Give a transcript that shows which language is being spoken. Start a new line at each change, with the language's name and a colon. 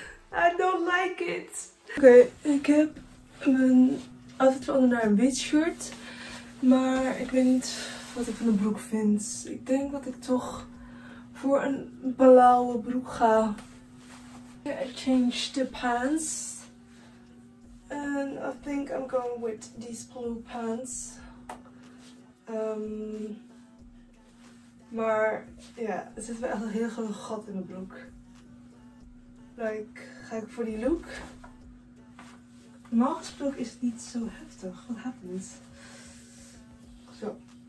English: I don't like it.
Dutch: Oké, ik heb mijn outfit veranderd naar een wit shirt. Maar ik weet niet wat ik van de broek vind. Ik denk dat ik toch voor een blauwe broek ga.
English: I change the pants. And I think I'm going with these blue pants.
Dutch: Maar ja, er zit wel echt een heel groot gat in mijn broek. Like, ga ik voor die look? Normaal gesproken is het niet zo heftig. Wat happens? Zo.